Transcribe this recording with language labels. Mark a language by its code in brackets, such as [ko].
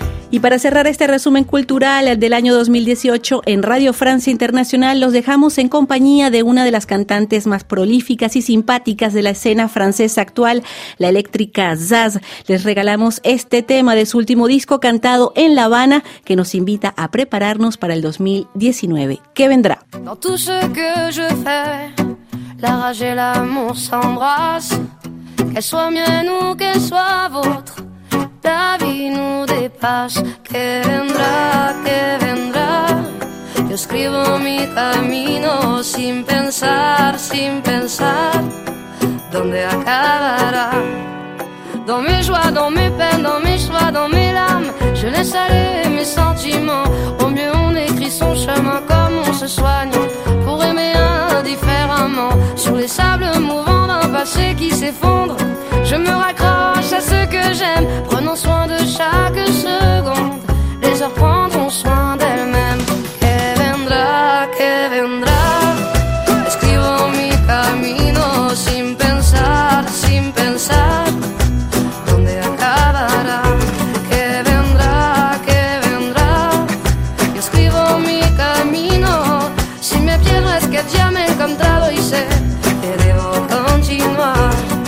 [es] Y para cerrar este resumen cultural del año 2018 en Radio Francia Internacional, los dejamos en compañía de una de las cantantes más prolíficas y simpáticas de la escena francesa actual, la eléctrica Zaz. Les regalamos este tema de su último disco, cantado en La Habana, que nos invita a prepararnos para el 2019. ¿Qué vendrá? [fr] Dans tout ce que je fais, la rage et l'amour s'embrassent, qu'elle soit mienne ou qu'elle soit vôtre. La vie nous dépasse. [es] Que vendrá, que vendrá. Yo escribo mi camino sin pensar, sin pensar dónde acabará. [fr] Dans mes joies, dans mes peines, dans mes choix, dans mes larmes, je laisse aller mes sentiments. Au mieux on écrit son chemin comme on se soigne pour aimer indifféremment. Sur les sables mouvants d'un passé qui s'effondre, je me raccroche à ce que j'aime. Prenons soin de chaque seconde, les heures prendront soin d'elles-mêmes. [es] Que vendrá, que vendrá. Escribo mi camino sin pensar, sin pensar dónde acabará. Que vendrá, que vendrá. Escribo mi camino. Si me pierdo es que ya me he encontrado y sé que debo continuar.